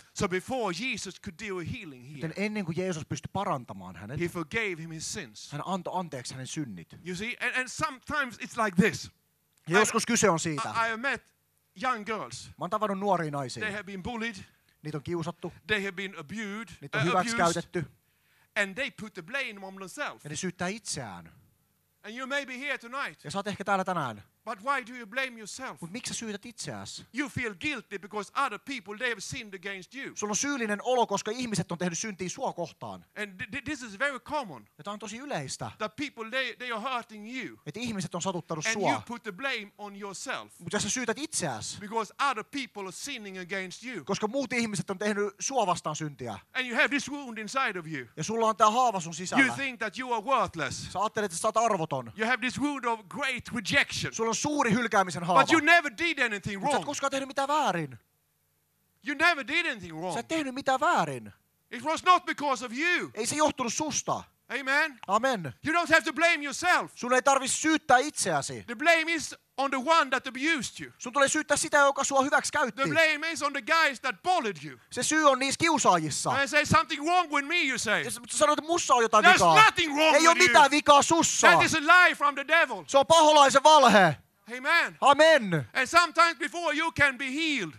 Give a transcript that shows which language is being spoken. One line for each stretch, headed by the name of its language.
English: So before Jesus could do a healing here.
Finnish: Joten ennen kuin Jeesus pystyi parantamaan hänet.
English: He forgave him his sins.
Finnish: Hän antoi anteeksi hänen synnit.
English: You see, and sometimes it's like this.
Finnish: Joskus kyse on siitä.
English: I have met young girls.
Finnish: Mä oon tavannut nuoria naisia.
English: They have been bullied.
Finnish: Niitä on kiusattu.
English: They have been abused.
Finnish: Niitä on hyväksikäytetty.
English: And they put the blame on themselves.
Finnish: Ja ne syyttää itseään.
English: And you may be here tonight.
Finnish: Ja sä oot ehkä täällä tänään.
English: But why do you blame yourself?
Finnish: Mut miksi sä syytät itseäsi?
English: You feel guilty because other people they have sinned against you.
Finnish: Sulla on syyllinen olo, koska ihmiset on tehnyt syntiä sua kohtaan.
English: And this is very common.
Finnish: Ja tää on tosi yleistä.
English: That people they are hurting you.
Finnish: Että ihmiset on satuttanut
English: and
Finnish: sua.
English: And you put the blame on yourself.
Finnish: Mutta sä syytät itseäsi.
English: Because other people are sinning against you.
Finnish: Koska muut ihmiset on tehnyt sua vastaan syntiä.
English: And you have this wound inside of you.
Finnish: Ja sulla on tää haava sun sisällä.
English: You think that you are worthless.
Finnish: Sä ajattelet, että sä oot arvoton.
English: You have this wound of great rejection.
Finnish: Suuri hylkäämisen haava.
English: But you never did anything wrong.
Finnish: Sä et koskaan tehnyt mitään väärin.
English: You never did anything wrong.
Finnish: Sä et tehnyt mitään väärin.
English: It was not because of you.
Finnish: Ei se johtunut susta. Amen. Amen.
English: You don't have to blame yourself.
Finnish: Sun ei tarvi syyttää itseäsi.
English: The blame is on the one that abused you.
Finnish: Sun tulee syyttää sitä, joka sua hyväksi käytti.
English: The blame is on the guys that bullied you.
Finnish: Se syy on niissä kiusaajissa.
English: And say something wrong with me, you say.
Finnish: Sä sanoit, että mussa on jotain
English: There's
Finnish: vikaa.
English: There's nothing wrong
Finnish: ei
English: with you.
Finnish: Ei ole mitään vikaa sussa.
English: That is a lie from the devil.
Finnish: Se on paholaisen valhe. Amen. Amen.
English: And sometimes before you can be healed.